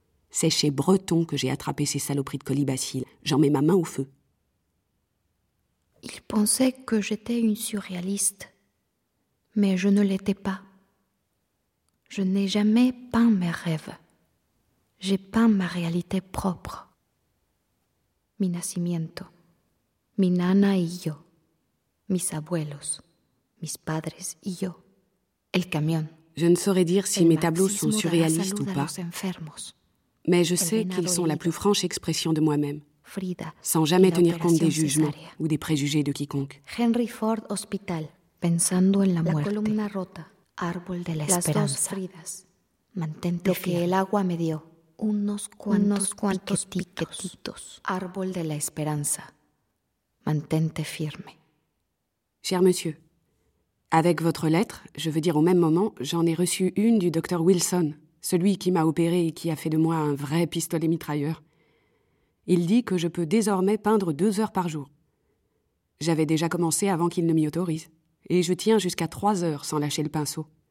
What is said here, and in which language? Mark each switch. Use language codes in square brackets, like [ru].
[fr] C'est chez Breton que j'ai attrapé ces saloperies de colibacilles. J'en mets ma main au feu. Il pensait que j'étais une surréaliste, mais je ne l'étais pas. Je n'ai jamais peint mes rêves. J'ai peint ma réalité propre. [es] Mi nacimiento, mi nana y yo, mis abuelos, mis padres y yo, el camión. [fr] Je ne saurais dire si mes tableaux sont surréalistes ou pas, mais je sais qu'ils sont la plus franche expression de moi-même, sans jamais tenir compte des jugements ou des préjugés de quiconque. [es] Henry Ford Hospital, pensando en la muerte. La columna rota, árbol de la esperanza. Las dos Fridas, mantente fiel. Lo que el agua me dio, unos cuantos piquetitos. Árbol de la esperanza, mantente firme. [fr] Cher monsieur, avec votre lettre, je veux dire au même moment, j'en ai reçu une du docteur Wilson, celui qui m'a opéré et qui a fait de moi un vrai pistolet mitrailleur. Il dit que je peux désormais peindre 2 heures par jour. J'avais déjà commencé avant qu'il ne m'y autorise, et je tiens jusqu'à 3 heures sans lâcher le pinceau.